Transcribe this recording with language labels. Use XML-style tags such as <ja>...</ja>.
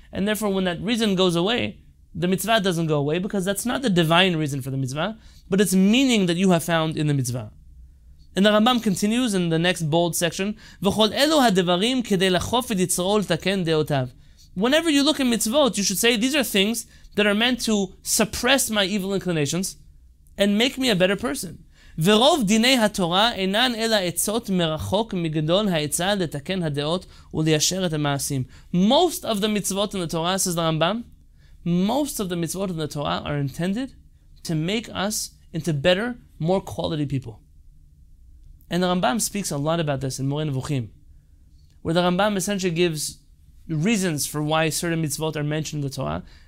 <en>And therefore, when that reason goes away, the mitzvah doesn't go away because that's not the divine reason for the mitzvah, but it's meaning that you have found in the mitzvah. And the Rambam continues in the next bold section,</en> <he>V'chol elu ha-devarim kedei lachof yitzro l'taken de'otav.</he> <en>Whenever you look at mitzvot, you should say, these are things that are meant to suppress my evil inclinations and make me a better person.</en> <he>ורוב דיני התורה אינן אלא עצות מרחוק מגדול העצה לתקן הדעות וליישר את המעשים.</he> <en>Most of the mitzvot in the Torah, says the Rambam, most of the mitzvot in the Torah are intended to make us into better, more quality people. And the Rambam speaks a lot about this in Moreh Nevuchim, where the Rambam essentially gives reasons for why certain mitzvot are mentioned in the Torah.</en>